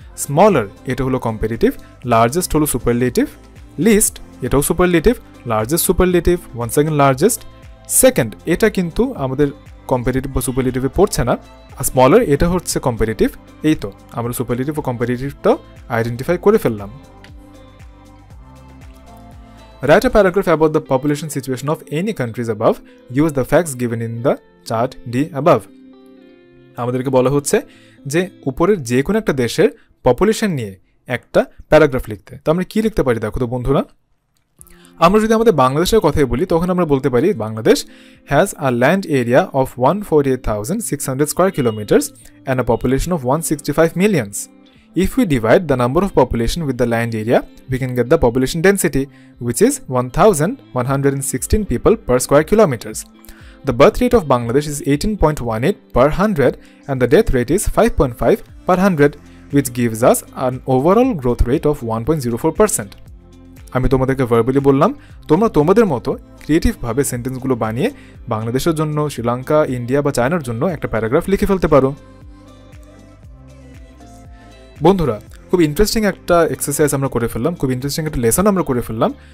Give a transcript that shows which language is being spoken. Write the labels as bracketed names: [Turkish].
[Bangla] Smaller এটা হলো comparative, largest হলো সুপারলেটিভ, লিস্ট এটাও superlative, largest superlative, one second largest, second এটা কিন্তু আমাদের কম্পারেটিভ বা সুপারলেটিভে পড়ছে না, আর স্মলার এটা হচ্ছে কম্পারেটিভ। এই তো আমরা সুপারলেটিভ ও কম্পারেটিভটাও আইডেন্টিফাই করে ফেললাম। [English] Write a paragraph about the population situation of any countries above. Use the facts given in the chart D above. [Bangla] আমাদেরকে বলা হচ্ছে যে উপরের যে কোনো একটা দেশের পপুলেশন নিয়ে একটা প্যারাগ্রাফ লিখতে। তো আমরা কী লিখতে পারি দেখো তো বন্ধুরা, আমরা যদি আমাদের বাংলাদেশের কথাই বলি, তখন আমরা বলতে পারি [English] Bangladesh has a land area of 148,600 square kilometers and a population of 165 millions. If we divide the number of population with the land area, we can get the population density, which is 1,116 people per square kilometers. The birth rate of Bangladesh is 18.18 per 100 and the death rate is 5.5 per 100, which gives us an overall growth rate of 1.04%. [Bangla] আমি তোমাদেরকে verbally বললাম, তোমরা তোমাদের মতো ক্রিয়েটিভভাবে সেন্টেন্সগুলো বানিয়ে বাংলাদেশের জন্য, Sri Lanka, India বা চায়নার জন্য একটা প্যারাগ্রাফ লিখে ফেলতে পারো। বন্ধুরা, খুব ইন্টারেস্টিং একটা এক্সারসাইজ আমরা করে ফেললাম, খুব ইন্টারেস্টিং একটা লেসন আমরা করে ফেললাম।